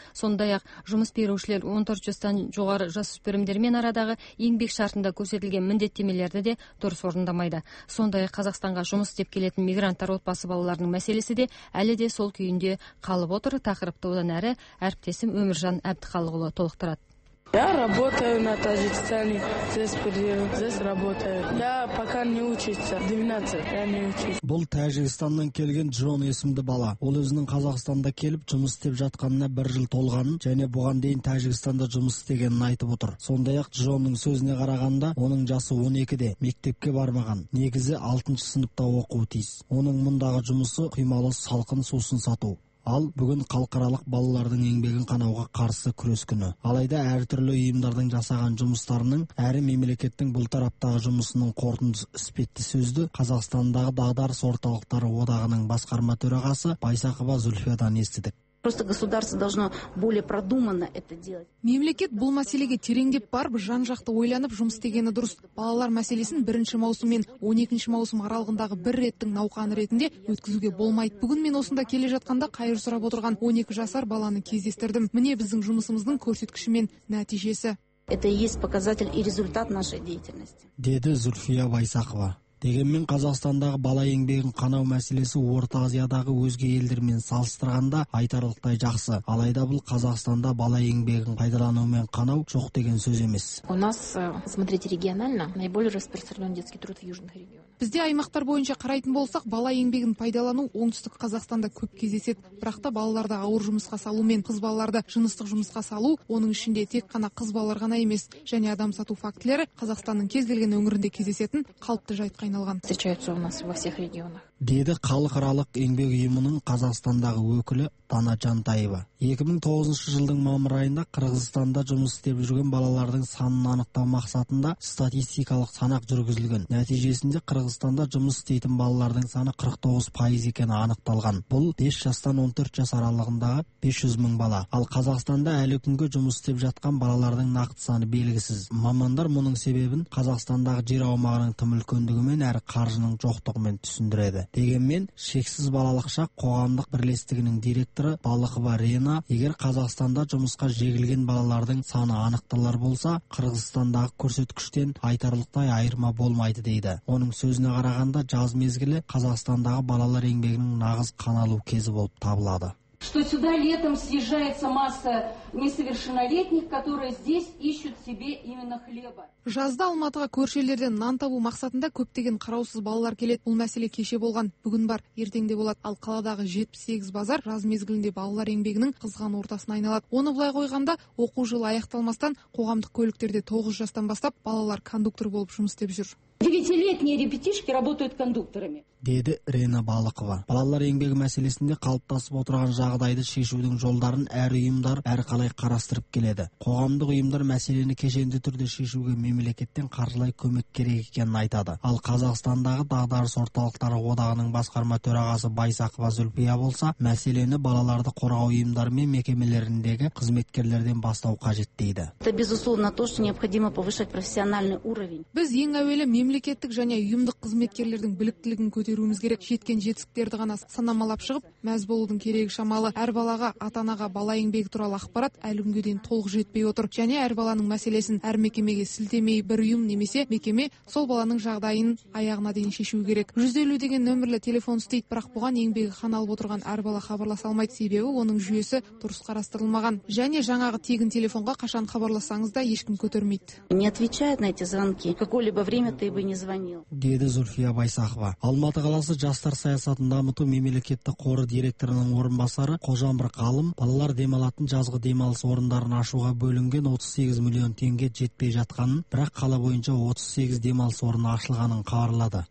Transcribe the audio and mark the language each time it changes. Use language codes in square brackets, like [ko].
[kk] Сондай ақ жұмыс берушілер 14 жастан жоғары жасөспірімдермен арадағы еңбек шартында көрсетілген міндеттемелерді де дұрыс орындамайды. Сондай ақ Қазақстанға жұмыс істеп келетін мигранттар отбасы балаларының мәселесі де әлі де сол күйінде қалып отыр. Тақырыпты одан әрі әріптесім Өміржан Әбдіхалықұлы толықтырады. [ru] Я работаю на Таджикистане, здесь приеду, здесь работаю. Я пока не учусь, 12, я не учусь. [kk] Бұл Таджикистаннан келген Джон есімді бала. Ол өзінің Қазақстанда келіп жұмыс істеп жатқанына бір жыл толғанын және бұған дейін Таджикистанда жұмыс істегенін айтып отыр. Сондай-ақ Джонның сөзіне қарағанда, оның жасы 12-де, мектепке бармаған, негізі 6-шы сыныпта оқуы тиіс. Оның мұндағы жұмысы құймалы салқын сусын сату. Ал бүгін халықаралық балалардың еңбегін қанауға қарсы күрес күні. Алайда әртүрлі ұйымдардың жасаған жұмыстарының әрі мемлекеттің бұл тараптағы жұмысының қорытындысы іспетті сөзді Қазақстандағы дағдарыс орталықтары одағының басқарма төрағасы Байсақова Зүлфиядан естідік. [ru] Просто государство должно более продуманно это делать. [kk] Мемлекет бұл мәселеге тереңдеп барып, жан-жақты ойланып жұмыс істегені дұрыс. Балалар мәселесін 1-ші маусым мен 12-ші маусым аралығындағы бір реттің науқаны ретінде өткізуге болмайды. Бүгін мен осында келе жатқанда қайыр сұрап отырған 12 жасар баланы кездестірдім. Міне біздің жұмысымыздың көрсеткіші мен нәтижесі. [ru] Это и есть показатель и результат нашей деятельности. [kk] Деді Зүлфия Байсақова. Дегенмен Қазақстандағы бала еңбегін қанау мәселесі Орта Азиядағы өзге елдермен салыстырғанда айтарлықтай жақсы. Алайда бұл Қазақстанда бала еңбегін пайдалану мен қанау жоқ деген сөз емес. [ru] У нас, смотрите, регионально наиболее распространен детский труд в южных регионах. [kk] Бізде аймақтар бойынша қарайтын болсақ, бала еңбегін пайдалану оңтүстік Қазақстанда көп кездеседі. Бірақ та балаларды ауыр жұмысқа салу мен қыз балаларды жыныстық жұмысқа салу, оның ішінде тек қана қыз балалар ғана емес, және адам сату фактілері Қазақстанның кез келген өңірінде кездесетін қалыпты жайт. [ru] Встречаются у нас во всех регионах. [kk] Деді халықаралық еңбек ұйымының Қазақстандағы өкілі Тана Жантаева. 2009 жылдың мамыр айында Қырғызстанда жұмыс істеп жүрген балалардың санын анықтау мақсатында статистикалық санақ жүргізілген. Нәтижесінде Қырғызстанда жұмыс істейтін балалардың саны 49% екені анықталған. Бұл 5 жастан 14 жас аралығындағы 500 мың бала. Ал Қазақстанда әлі күнге жұмыс істеп жатқан балалардың нақты саны белгісіз. Мамандар мұның себебін Қазақстандағы жер аумағының тым үлкендігі мен әрі қаржының жоқтығымен түсіндіреді. Дегенмен, шексіз балалық шақ қоғамдық бірлестігінің директоры Балықова Рена, егер Қазақстанда жұмысқа жегілген балалардың саны анықталар болса, Қырғызстандағы көрсеткіштен айтарлықтай айырма болмайды дейді. Оның сөзіне қарағанда жаз мезгілі Қазақстандағы балалар еңбегінің нағыз қаналу кезі болып табылады. [ru] Что сюда летом съезжается масса несовершеннолетних, которые здесь ищут себе именно хлеба. [kk] Жазда Алматыға көршілерден нан табу мақсатында көптеген қараусыз балалар келеді. Бұл мәселе кеше болған, бүгін бар, ертең де болады. Ал қаладағы 78 базар жаз мезгілінде балалар еңбегінің қызған ортасына айналады. Оны былай қойғанда, оқу жылы аяқталмастан қоғамдық көліктерде 9 жастан бастап балалар кондуктор болып жұмыс істеп жүр. [ru] 9-летние ребятишки работают кондукторами. [kk] Деді Рена Балықова. Балалар еңбегі мәселесінде қалыптасып отырған жағдайды шешудің жолдарын әр ұйымдар әр қалай қарастырып келеді. Қоғамдық ұйымдар мәселені кешенді түрде шешуге мемлекеттен қаржылай көмек керек екенін айтады. Ал Қазақстандағы дағдарыс орталықтары одағының басқарма төрағасы Байсақова Зүлфия болса, мәселені балаларды қорғау ұйымдары мен мекемелеріндегі қызметкерлерден бастау қажет дейді. [ru] Это безусловно то, что необходимо повышать профессиональный уровень. [kk] Біз ең әуелі мемлекеттік және ұйымдық қызметкерлердің біліктілігін көтеруіміз керек. Жеткен жетістіктерді ғана санамалап шығып, мәз болудың керегі шамалы. Әр балаға, ата-анаға бала еңбегі туралы ақпарат әлі күнге дейін толық жетпей отыр. Және әр баланың мәселесін әр мекемеге сілтемей, бір ұйым немесе мекеме сол баланың жағдайын аяғына дейін шешуі керек. 150 деген нөмірлі телефон істейді, бірақ бұған еңбегі қаналып отырған әр бала хабарласа алмайды. Себебі оның жүйесі дұрыс қарастырылмаған. Және жаңағы тегін телефонға қашан хабарлассаңыз да ешкім көтермейді. [ru] Не отвечает на эти звонки. Какое-либо время ты бы не звонил. [kk] Деді Зульфия Байсахова. Алматы қаласы жастар саясатын дамыту мемлекеттік қоры директорының орынбасары Қожамбір Қалым балалар демалатын жазғы демалыс орындарын ашуға бөлінген 38 миллион теңге жетпей жатқанын, бірақ қала бойынша 38 демалыс орны ашылғанын хабарлады.